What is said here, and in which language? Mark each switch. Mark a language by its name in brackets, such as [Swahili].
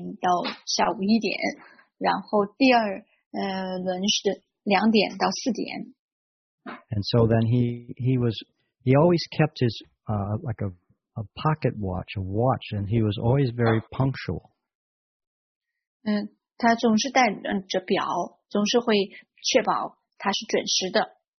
[Chinese] 他在法庭工作的时间是上午10点到下午1点, 然后第二轮是2点到4点。 [English] And so then he always kept his a pocket watch, a watch, and he was always very punctual. [Chinese] 他总是戴着表，总是会确保他是准时的。